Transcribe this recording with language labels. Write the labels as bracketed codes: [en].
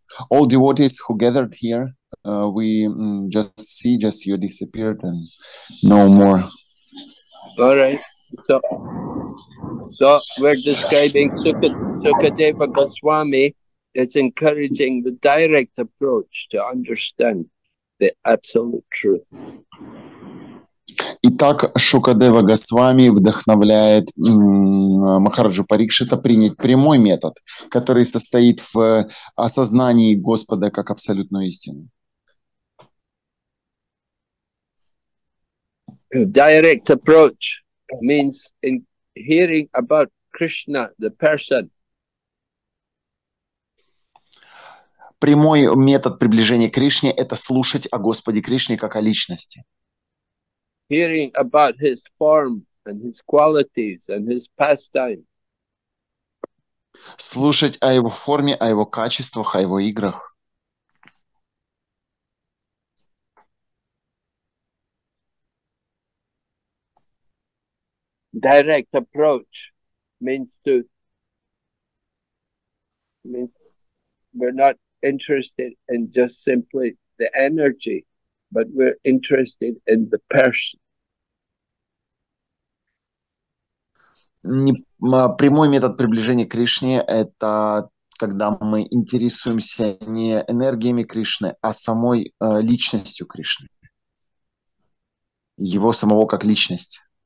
[en] All devotees who gathered here, we just you disappeared and no more. All right. So we're describing Sukadeva Goswami. It's encouraging the direct approach to understand the absolute truth. [ru] Итак, Шукадева Госвами вдохновляет Махараджу Парикшита принять прямой метод, который состоит в осознании Господа как абсолютной истины. [en] Direct approach means in hearing about Krishna, the person. [ru] Прямой метод приближения к Кришне – это слушать о Господе Кришне как о личности. [en] Hearing about his form and his qualities and his pastime. [ru] Слушать о его форме, о его качествах, о его играх. [en] Direct approach means to means we're not interested in just simply the energy, but we're interested in the person. [ru] Прямой метод приближения к Кришне – это когда мы интересуемся не энергиями Кришны, а самой личностью Кришны, его самого как личность.